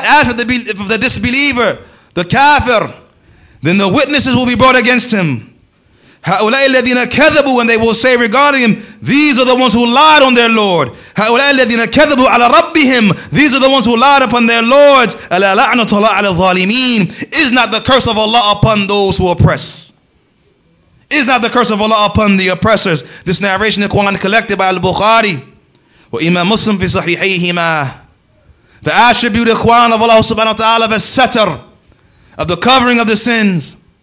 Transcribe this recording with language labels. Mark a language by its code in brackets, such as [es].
[en] After the disbeliever, the kafir, then the witnesses will be brought against him. [ar] هؤلاء الذين كذبوا, [en] and they will say regarding him, these are the ones who lied on their Lord. [ar] هؤلاء الذين كذبوا على ربهم, [en] these are the ones who lied upon their Lords. [ar] ألا لعنة الله على الظالمين. [en] Is not the curse of Allah upon those who oppress? Is not the curse of Allah upon the oppressors? This narration in the Quran collected by Al-Bukhari [ar] وإمام مسلم في صحيحيهما. [en] The attribute Ikhwan of Allah subhanahu wa ta'ala of a satr, of the covering of the sins.